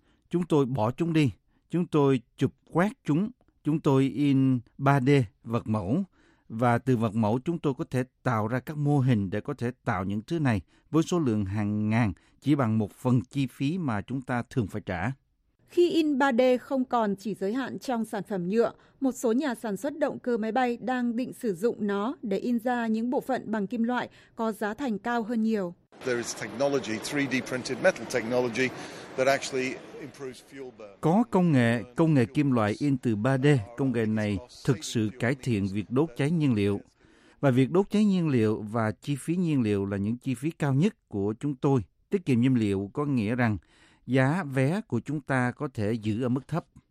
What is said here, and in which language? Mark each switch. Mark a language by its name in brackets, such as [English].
[Vietnamese] Chúng tôi bỏ chúng đi, chúng tôi chụp quét chúng, chúng tôi in 3D vật mẫu, và từ vật mẫu chúng tôi có thể tạo ra các mô hình để có thể tạo những thứ này với số lượng hàng ngàn chỉ bằng một phần chi phí mà chúng ta thường phải trả. Khi in 3D không còn chỉ giới hạn trong sản phẩm nhựa, một số nhà sản xuất động cơ máy bay đang định sử dụng nó để in ra những bộ phận bằng kim loại có giá thành cao hơn nhiều. [English] There is technology, 3D printed metal technology that actually improves fuel burn. [Vietnamese] Có công nghệ kim loại in từ 3D, công nghệ này thực sự cải thiện việc đốt cháy nhiên liệu. Và việc đốt cháy nhiên liệu và chi phí nhiên liệu là những chi phí cao nhất của chúng tôi. Tiết kiệm nhiên liệu có nghĩa rằng giá vé của chúng ta có thể giữ ở mức thấp.